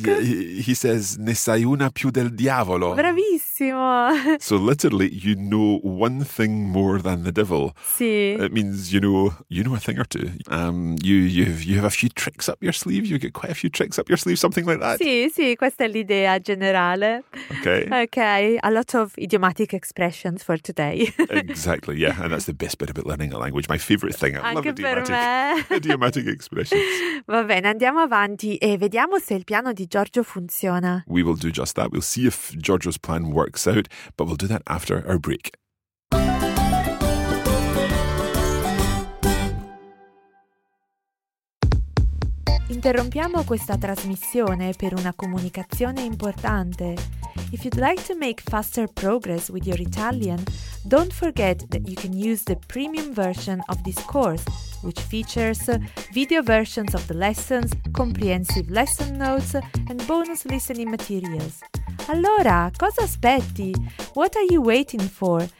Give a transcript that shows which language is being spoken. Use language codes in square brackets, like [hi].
[en] He says, [it] ne sai una più del diavolo. Bravissimo. [en] So literally, you know one thing more than the devil. [it] Sì. [en] It means you know a thing or two. You have a few tricks up your sleeve. You get quite a few tricks up your sleeve, something like that. [it] Sì, sì, questa è l'idea generale. [en] Okay. A lot of idiomatic expressions for today. Exactly, yeah. And that's the best bit about learning a language. My favorite thing. I [it] Anche [en] love idiomatic. [it] Per me. [en] Idiomatic expressions. [it] Va bene, andiamo avanti e vediamo se il piano di Giorgio funziona. [en] We will do just that. We'll see if Giorgio's plan works out, but we'll do that after our break. [it] Interrompiamo questa trasmissione per una comunicazione importante. [en] If you'd like to make faster progress with your Italian, don't forget that you can use the premium version of this course, which features video versions of the lessons, comprehensive lesson notes, and bonus listening materials. [it] Allora, cosa aspetti? [en] What are you waiting for?